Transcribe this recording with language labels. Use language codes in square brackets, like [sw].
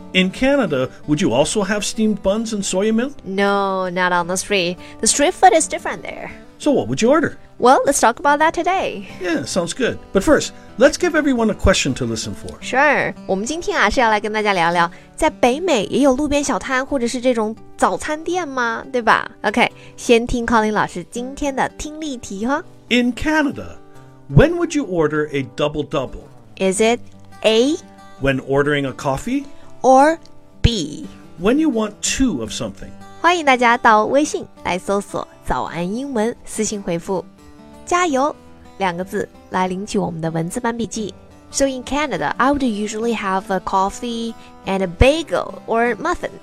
[en] In Canada, would you also have steamed buns and soy milk? No, not on the street. The street food is different there. So what would you order? Well, let's talk about that today. Yeah, sounds good. But first, let's give everyone a question to listen for. Sure. [zh] 我们今天啊是要来跟大家聊聊在北美也有路边小摊或者是这种早餐店吗对吧 OK, 先听 Colin 老师今天的听力题哈。 [en] In Canada, when would you order a double-double? Is it A? When ordering a coffee? Or B. When you want two of something. [zh] 欢迎大家到微信来搜索早安英文私信回复加油两个字来领取我们的文字版笔记 [en] So in Canada, I would usually have a coffee and a bagel or muffin.